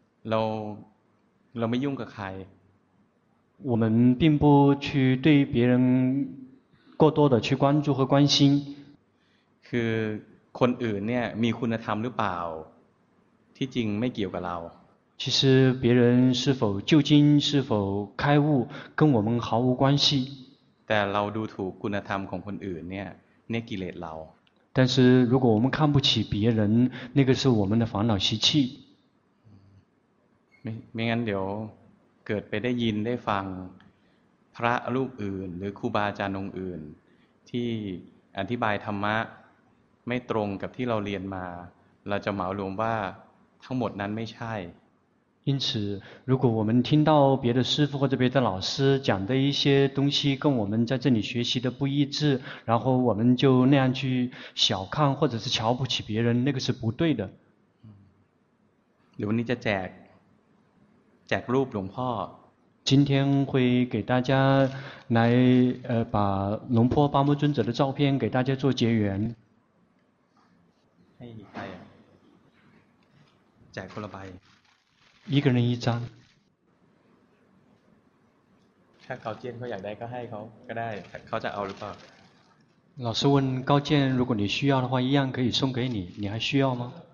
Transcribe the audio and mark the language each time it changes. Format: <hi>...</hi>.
<th>เราไม่ยุ่งกับใคร</th> <zh>我们并不去对别人过多的去关注和关心</zh> <th>คือคนอื่นเนี่ยมีคุณธรรมหรือเปล่าที่จริงไม่เกี่ยวกับเรา</th> <zh>其实别人是否究竟是否开悟跟我们毫无关系</zh> <th>แต่เราดูถูกคุณธรรมของคนอื่นเนี่ยเนี่ยกิเลสเรา</th> <zh>但是如果我们看不起别人那个是我们的烦恼习气</zh> <th>ไม่งั้นเดี๋ยวเกิดไปได้ยินได้ฟังพระรูปอื่นหรือครูบาอาจารย์องค์อื่นที่อธิบายธรรมะไม่ตรงกับที่เราเรียนมาเราจะเหมารวมว่าทั้งหมดนั้นไม่ใช่</th> <zh>因此如果我们听到别的师父或者别的老师讲的一些东西跟我们在这里学习的不一致然后我们就那样去小看或者是瞧不起别人那个是不对的</zh> <th>หรือวันนี้จะแจกรูปหลวงพ่อ</th> <zh>今天会给大家来把龙坡八木尊者的照片给大家做结缘</zh> <th>ให้ใครอ่ะแจกคนละใบ</th> <zh>一个人一张</zh> <th>ถ้าเขาเจียนเขาอยากได้ก็ให้เขาก็ได้เขาจะเอาหรือเปล่า</th> <zh>老师问高健如果你需要的话一样可以送给你你还需要吗</zh>